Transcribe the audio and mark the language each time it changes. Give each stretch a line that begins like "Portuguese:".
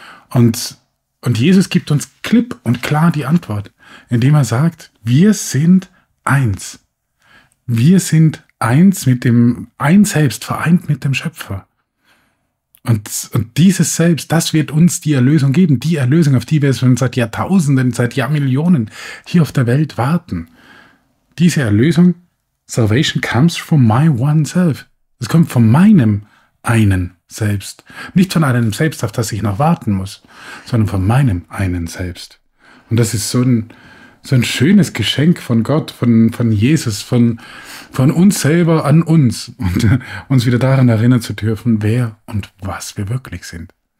German: Und Jesus gibt uns klipp und klar die Antwort, indem er sagt, wir sind eins. Wir sind eins mit dem Ein Selbst, vereint mit dem Schöpfer. Und dieses Selbst, das wird uns die Erlösung geben, die Erlösung, auf die wir schon seit Jahrtausenden, seit Jahrmillionen hier auf der Welt warten. Diese Erlösung,
English: Salvation comes from my one self.
German: Es kommt von meinem einen Selbst. Nicht von einem Selbst, auf das ich noch warten muss, sondern von meinem einen Selbst. Und das ist so ein schönes Geschenk von Gott, von Jesus, von uns selber an uns und uns wieder daran erinnern zu dürfen, wer und was wir wirklich sind.